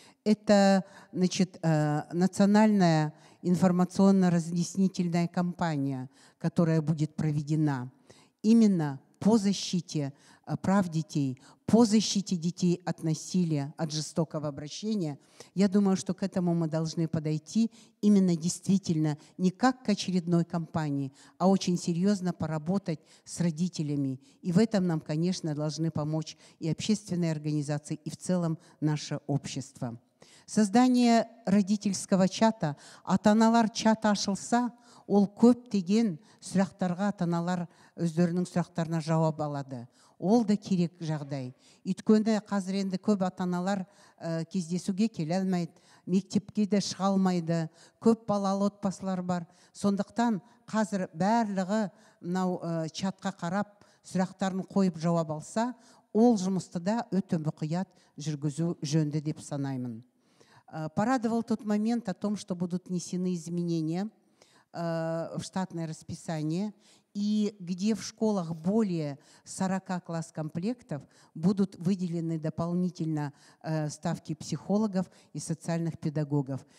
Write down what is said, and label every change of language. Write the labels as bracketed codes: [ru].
[ru] Это, значит, национальная информационно-разъяснительная кампания, которая будет проведена именно по защите прав детей, по защите детей от насилия, от жестокого обращения. Я думаю, что к этому мы должны подойти именно действительно не как к очередной кампании, а очень серьезно поработать с родителями. И в этом нам, конечно, должны помочь и общественные организации, и в целом наше общество. Создание родительского чата [kk] «Атаналар чата ашылса», ол көп деген сұрақтарға атаналар өздерінің сұрақтарына жауап алады. Ол да керек жағдай. Өйткені қазір енді көп атаналар кездесуге келе алмайды, мектепке де шыға алмайды, көп балалы отбасылар бар. Сондықтан қазір бәрлігі мынау чатқа қарап сұрақтарын қойып жауап алса, ол жұмысты да өте мұқият жүргізу жөнді деп санаймын. [ru] Порадовал тот момент о том, что будут внесены изменения в штатное расписание, и где в школах более 40 класс-комплектов будут выделены дополнительно ставки психологов и социальных педагогов.